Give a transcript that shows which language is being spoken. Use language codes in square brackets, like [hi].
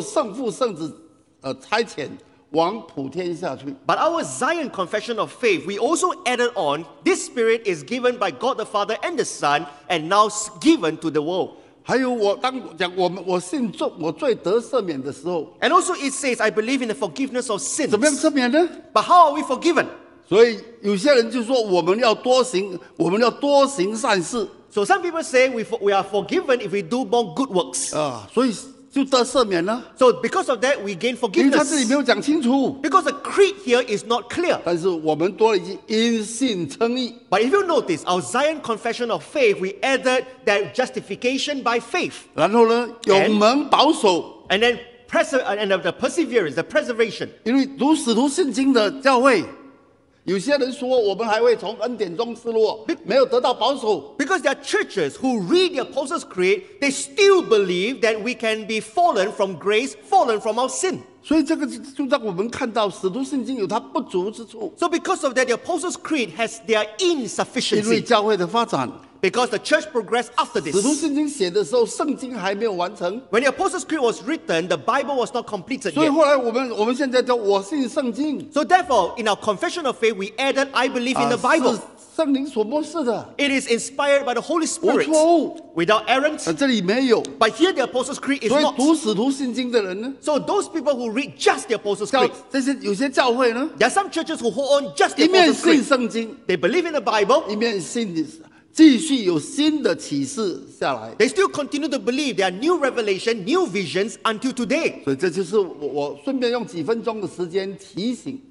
[zh] 我们的告白就说圣父圣子，他受圣父圣子差遣。 [en] But our Zion confession of faith, we also added on, this Spirit is given by God the Father and the Son, and now given to the world. [zh] 还有我当讲我信众我罪得赦免的时候, [en] and also it says, I believe in the forgiveness of sins. [zh] 怎么样赦免呢? [en] But how are we forgiven? [zh] 所以有些人就说我们要多行善事。 [en] So some people say we are forgiven if we do more good works. [zh] 所以 [en] so because of that, we gain forgiveness. Because the creed here is not clear. But if you notice, our Zion confession of faith, we added that justification by faith. [zh] 然后呢, [en] and then the perseverance, the preservation. [zh] 因为读使徒信经的教会, 有些人说我们还会从恩典中失落, [en] because there are churches who read the Apostles' Creed, they still believe that we can be fallen from grace, fallen from our sin. [zh] 所以这个就让我们看到使徒信经有它不足之处。 [en] So because of that, the Apostles' Creed has their insufficiency. [zh] 因为教会的发展, [en] because the church progressed after this. [zh] 使徒信经写的时候, 圣经还没有完成, [en] when the Apostles' Creed was written, the Bible was not completed yet. [zh] 所以后来我们现在叫我信圣经。 [en] So therefore, in our confession of faith, we added, I believe in the Bible. [zh] 是圣灵所默示的。 [en] It is inspired by the Holy Spirit. [zh] 无错误, [en] without errant. [zh] 这里没有。 [en] But here the Apostles' Creed is [zh] 所以读使徒信经的人呢? [en] Not. [zh] 所以读使徒信经的人呢? [en] So those people who read just the Apostles' Creed. [zh] 这些有些教会呢? [en] There are some churches who hold on just the Apostles' Creed. [zh] 一面信圣经, [en] they believe in the Bible. [zh] 一面信圣经。继续有新的启示下来, [en] they still continue to believe there are new revelation, new visions until today. [zh] 所以这就是我顺便用几分钟的时间提醒,